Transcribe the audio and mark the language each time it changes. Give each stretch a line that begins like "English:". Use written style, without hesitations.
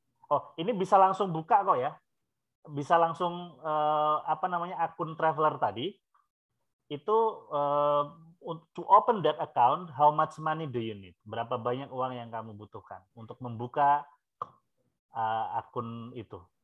Indonesian: Oh, ini bisa langsung buka kok ya. Bisa langsung akun traveler tadi.
English: Itu to open that account, how much money do you need?
Indonesian: Berapa banyak uang yang kamu butuhkan untuk membuka akun itu?